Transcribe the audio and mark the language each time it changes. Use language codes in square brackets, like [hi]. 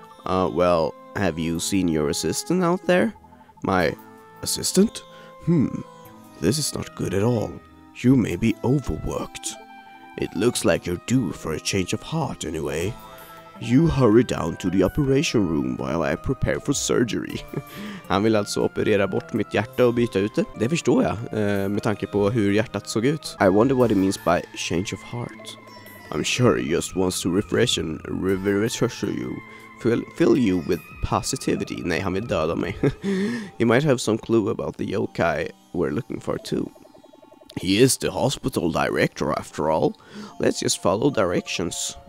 [en] Well, have you seen your assistant out there? My assistant? This is not good at all. You may be overworked. It looks like you're due for a change of heart anyway. You hurry down to the operation room while I prepare for surgery. [sv] Han vill alltså operera bort mitt hjärta och byta ut det. Det förstår jag, med tanke på hur hjärtat såg ut. [en] I wonder what it means by change of heart. I'm sure he just wants to refresh and refresh you. Fill you with positivity. [sv] Nej, han vill döda mig. [en] He might have some clue about the yokai we're looking for too. He is the hospital director after all. Let's just follow directions.